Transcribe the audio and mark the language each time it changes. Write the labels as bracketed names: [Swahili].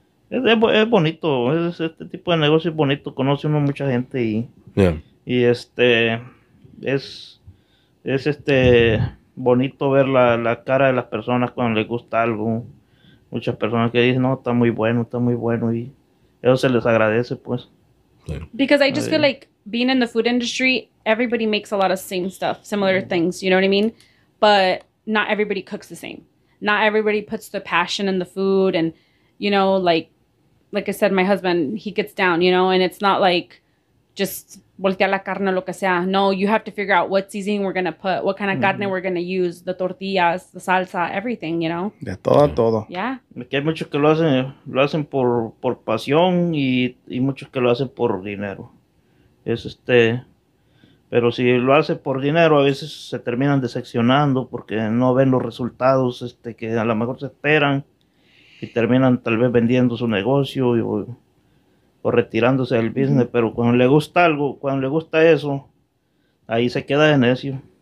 [Spanish] Es bonito, es este tipo de negocio es bonito, conoce uno mucha gente y, [English] yeah, [Spanish] y este, es este, bonito ver la cara de las personas cuando les gusta algo. Muchas personas que dicen, no, está muy bueno, y eso se les agradece, pues. [English] Because I just feel like being in the food industry, everybody makes a lot of same stuff, similar things, you know what I mean? But not everybody cooks the same. Not everybody puts the passion in the food. And, you know, like I said, my husband, he gets down, you know, and it's not like just [Spanish] voltear la carne, lo que sea. [English] No, you have to figure out what seasoning we're going to put, what kind of carne we're going to use, the tortillas, the salsa, everything, you know? [Spanish] De todo a todo. [English] Yeah. [Spanish] Porque hay muchos que lo hacen por pasión y muchos que lo hacen por dinero. Es este... Pero si lo hace por dinero, a veces se terminan decepcionando porque no ven los resultados que a lo mejor se esperan y terminan tal vez vendiendo su negocio o retirándose del business, uh-huh, pero cuando le gusta algo, cuando le gusta eso, ahí se queda de necio.